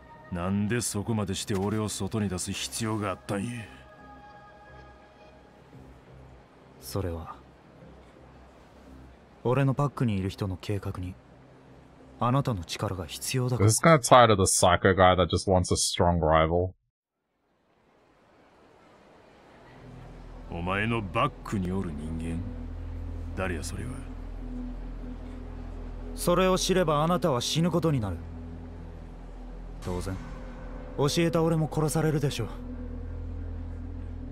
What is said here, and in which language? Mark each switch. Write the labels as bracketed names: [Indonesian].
[Japanese] なんでそこまでして俺を外に出す必要があったんや。それは俺のパックにいる人の計画にあなたの力が必要だから。 [English] This is kind of tired of the psycho guy that just wants a strong rival. [Japanese] お前のバックにおる人間誰や。それは、それを知ればあなたは死ぬことになる。当然教えた俺も殺されるでしょう。